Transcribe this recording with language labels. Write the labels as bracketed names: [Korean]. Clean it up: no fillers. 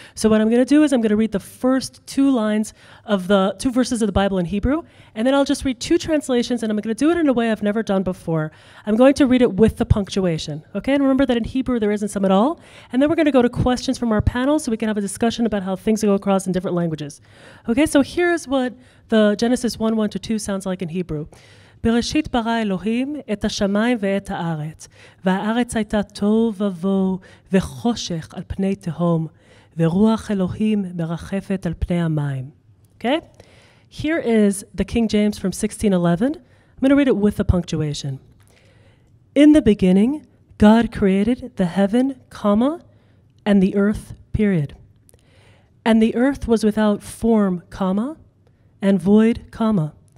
[English] So what I'm going to do is I'm going to read the first two lines of the two verses of the Bible in Hebrew, and then I'll just read two translations, and I'm going to do it in a way I've never done before. I'm going to read it with the punctuation, okay? And remember that in Hebrew there isn't some at all. And then we're going to go to questions from our panel so we can have a discussion about how things go across in different languages. Okay, so here's what the Genesis 1:1-2 sounds like in Hebrew. [Hebrew] בראשית ברא אלוהים את השמיים ואת הארץ, והארץ הייתה טוב ובו וחושך על פני תהום, ורוח אלוהים מרחפת על פני המים. [English] Okay? Here is the King James from 1611. I'm going to read it with the punctuation. In the beginning, God created the heaven, comma, and the earth, period. And the earth was without form, comma, and void, comma.